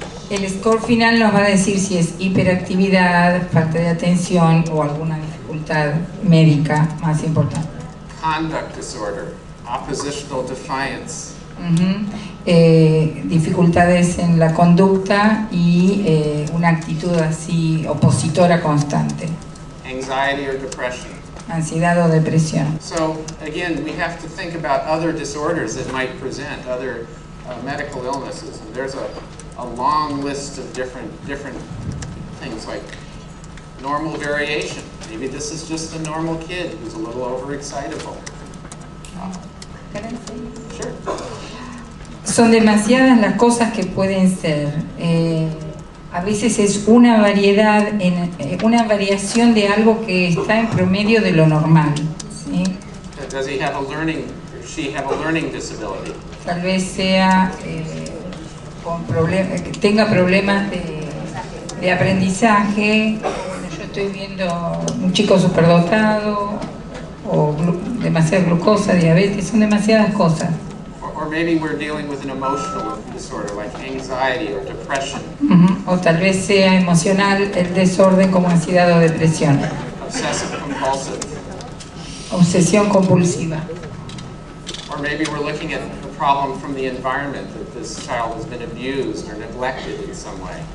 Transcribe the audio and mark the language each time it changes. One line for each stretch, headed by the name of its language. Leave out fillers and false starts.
Spanish: El score final nos va a decir si es hiperactividad, falta de atención o alguna dificultad médica más importante.
English: Conduct disorder, oppositional defiance.
Spanish: Dificultades en la conducta y una actitud así opositora constante.
English: Anxiety or depression.
Spanish: Ansiedad o depresión.
English: So again, we have to think about other disorders that might present, other medical illnesses. And there's a long list of different things like normal variation. Maybe this is just a normal kid who's a little overexcitable. Can I say? Sure.
Spanish: Son demasiadas las cosas que pueden ser. A veces es una variación de algo que está en promedio de lo normal, ¿sí?
English: Does he have a learning, she have a learning disability?
Spanish: Tal vez sea con problemas, que tenga problemas de aprendizaje. Bueno, yo estoy viendo un chico superdotado o demasiada glucosa, diabetes, son demasiadas cosas.
English: Or maybe we're dealing with an emotional disorder like anxiety or depression.
Spanish: O tal vez sea emocional el desorden como ansiedad o depresión.
English: Obsessive compulsive.
Spanish: Obsesión compulsiva.
English: Or maybe we're looking at a problem from the environment that this child has been abused or neglected in some way.